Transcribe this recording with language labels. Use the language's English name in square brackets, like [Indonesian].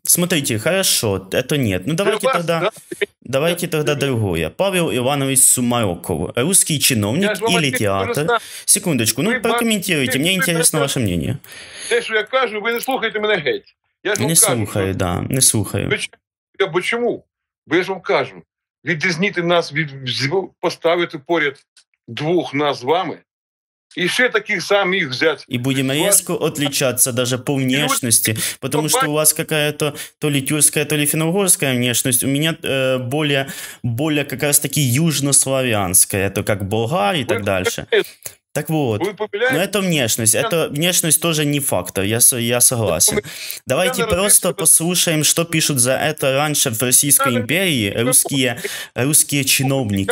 [Russian] Смотрите, хорошо, это нет. Ну давайте вас, тогда, да? Давайте тогда другое. Павел Иванович Сумароков. Русский чиновник или театр? Секундочку. Ну, прокомментируйте. Мне интересно ваше мнение. [Ukrainian] Те, что я кажу, вы не слухаете меня геть. Не слухаю. [Russian] Почему? [Ukrainian] Бо я ж вам кажу. Відрізнити нас, поставити поряд двох нас з вами і ще таких самих взяти. І будемо різко відрізнятися навіть по внешності, тому що у вас якась [Russian] то ли [Ukrainian] тюркська, то ли фіно-угорська внешність. У мене більше якраз таки южнославянська, то як болгар і так далі. [Russian] Так вот, ну это внешность. Это внешность тоже не фактор, я согласен. Давайте просто послушаем, что пишут за это раньше в Российской империи русские чиновники.